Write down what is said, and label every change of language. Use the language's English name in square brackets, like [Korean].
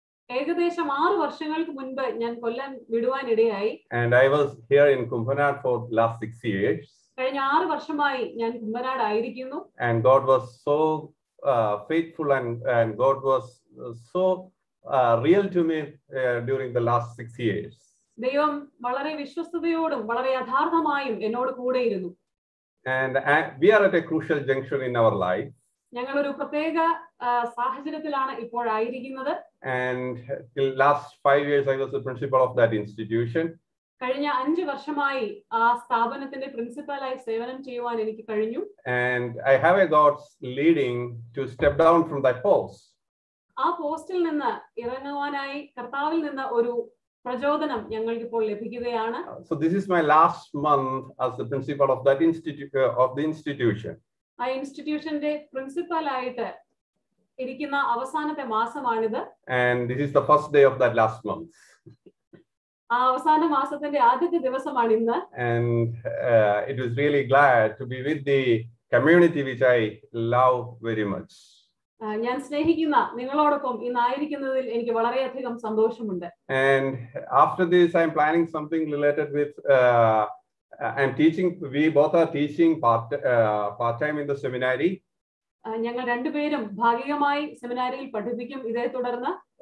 [Malayalam] ഏകദേശം 6 വർഷങ്ങൾക്ക് മുൻപ് ഞാൻ കൊല്ലം വിടുവാൻ ഇടയായി. [English] And I was here in Kumbanad for last 6 years. [Malayalam] കഴിഞ്ഞ 6 വർഷമായി ഞാൻ കുംഭനാട് ആയിരിക്കുന്നു. [English] And God was so faithful and God was so real to me during the last 6 years. [Malayalam] ദൈവം വളരെ വിശ്വസ്തതയോടും വളരെ യഥാർത്ഥമായും എന്നോട് കൂടെ ഇരുന്നു. [English] And we are at a crucial junction in our life. [Malayalam] ഞങ്ങൾ ഒരു പ്രത്യേക സാഹചര്യത്തിലാണ് ഇപ്പോഴായിരിക്കുന്നത്. [English] And till last 5 years I was the principal of that institution. [Malayalam] കഴിഞ്ഞ 5 വർഷമായി ആ സ്ഥാപനത്തിന്റെ പ്രിൻസിപ്പൽ ആയി സേവനം ചെയ്യുവാൻ എനിക്ക് കഴിഞ്ഞു. [English] And I have a God's leading to step down from that post. [Malayalam] ആ പോസ്റ്റിൽ നിന്ന് ഇറങ്ങുവാനായി കർത്താവിൽ നിന്ന് ഒരു പ്രചോദനം ഞങ്ങൾക്ക് ഇപ്പോൾ ലഭിക്കുകയാണ്. [English] So this is my last month as the principal of that institute of the institution. [Malayalam] ആ ഇൻസ്റ്റിറ്റ്യൂഷന്റെ പ്രിൻസിപ്പൽ ആയിട്ട് ഇരിക്കുന്ന അവസാനത്തെ മാസമാണിത്. [English] And this is the first day of that last month. [Malayalam] ആ അവസാന മാസത്തിന്റെ ആദ്യത്തെ ദിവസമാണ് ഇന്ന്. [English] And it was really glad to be with the community which I love very much. [Malayalam] ഞാൻ സ്നേഹിക്കുന്ന നിങ്ങളോടൊപ്പം ഇന്ന് ആയിരിക്കുന്നതിൽ എനിക്ക് വളരെയധികം സന്തോഷമുണ്ട്. [English] And after this I am planning something related with I'm teaching, we both are teaching part-time in the seminary. [Malayalam] ഞങ്ങൾ രണ്ടുപേരും ഭാഗികമായി സെമിനാരിയിൽ പഠിപ്പിക്കും ഇതേ തുടർന്ന്.